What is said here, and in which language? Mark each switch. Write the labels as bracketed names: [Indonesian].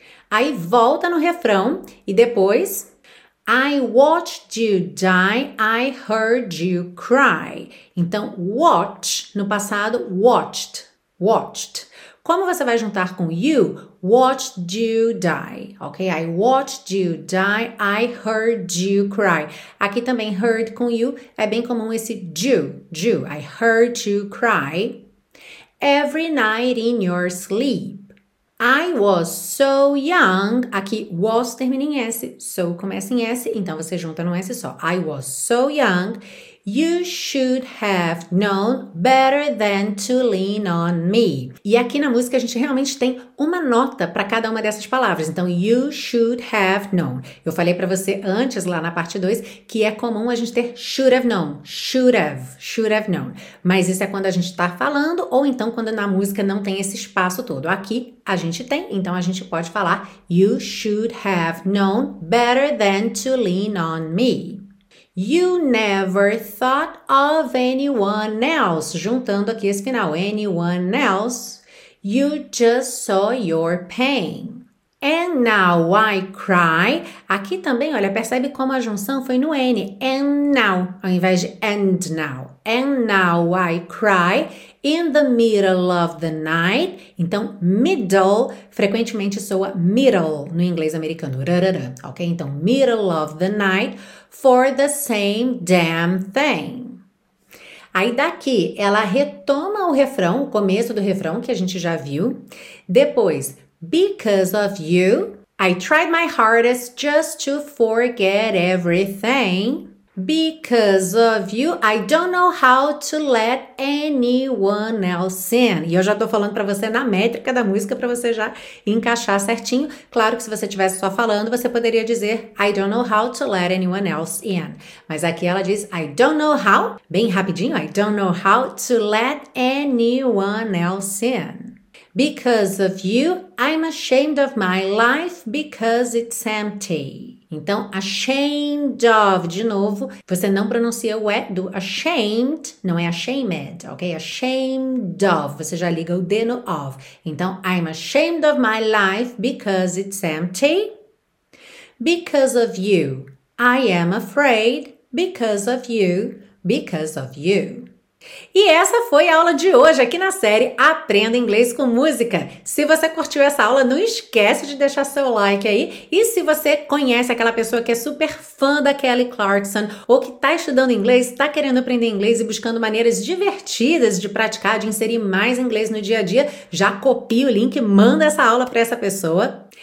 [Portuguese] Aí volta no refrão e depois... [English] I watched you die, I heard you cry. [Portuguese] Então, watch, no passado, watched, watched. Como você vai juntar com you? [English] Watched you die, ok? I watched you die, I heard you cry. [Portuguese] Aqui também, heard com you, é bem comum esse you, [English] I heard you cry. Every night in your sleep. I was so young, [Portuguese] aqui was termina em S, so começa em S, então você junta num S só. [English] I was so young, you should have known better than to lean on me. [Portuguese] E aqui na música a gente realmente tem uma nota para cada uma dessas palavras, então [English] you should have known. [Portuguese] Eu falei para você antes lá na parte 2 que é comum a gente ter [English] should have known, should have known. [Portuguese] Mas isso é quando a gente está falando ou então quando na música não tem esse espaço todo. Aqui a gente tem, então a gente pode falar [English] you should have known better than to lean on me. You never thought of anyone else. [Portuguese] Juntando aqui esse final, [English] anyone else. You just saw your pain. And now I cry. [Portuguese] Aqui também, olha, percebe como a junção foi no N. [English] And now, [Portuguese] ao invés de [English] and now. And now I cry in the middle of the night. [Portuguese] Então, middle, frequentemente soa middle no inglês americano. Rarara, ok? [English] Então, middle of the night for the same damn thing. [Portuguese] Aí daqui, ela retoma o refrão, o começo do refrão que a gente já viu. Depois, [English] because of you, I tried my hardest just to forget everything. Because of you, I don't know how to let anyone else in. [Portuguese] E eu já tô falando para você na métrica da música para você já encaixar certinho. Claro que se você estivesse só falando, você poderia dizer [English] I don't know how to let anyone else in. [Portuguese] Mas aqui ela diz [English] I don't know how, [Portuguese] bem rapidinho, I don't know how to let anyone else in. [English] Because of you, I'm ashamed of my life because it's empty. [Portuguese] Então, [English] ashamed of, [Portuguese] de novo, você não pronuncia o E do ashamed, não é ashamed, ok? Ashamed of, você já liga o D no of. [English] Então, I'm ashamed of my life because it's empty. Because of you, I am afraid because of you, because of you. [Portuguese] E essa foi a aula de hoje aqui na série Aprenda Inglês com Música. Se você curtiu essa aula, não esquece de deixar seu like aí. E se você conhece aquela pessoa que é super fã da Kelly Clarkson ou que está estudando inglês, está querendo aprender inglês e buscando maneiras divertidas de praticar, de inserir mais inglês no dia a dia, já copia o link e manda essa aula para essa pessoa.